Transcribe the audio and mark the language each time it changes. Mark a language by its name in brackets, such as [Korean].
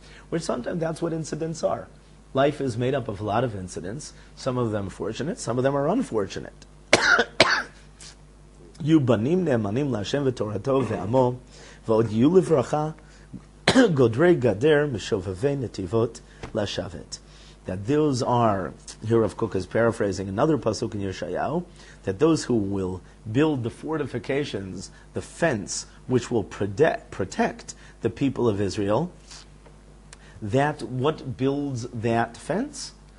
[English] Which sometimes that's what incidents are. Life is made up of a lot of incidents, some of them fortunate, some of them are unfortunate. [Hebrew] יהיו בנים נאמנים להשם ותורתו ועמו, ועוד יהיו לברכה גודרי גדר משובבי נתיבות לשבת. [English] That those are, here Rav Kook is paraphrasing another pasuk in Yeshayahu, that those who will build the fortifications, the fence, which will protect the people of Israel, that what builds that fence?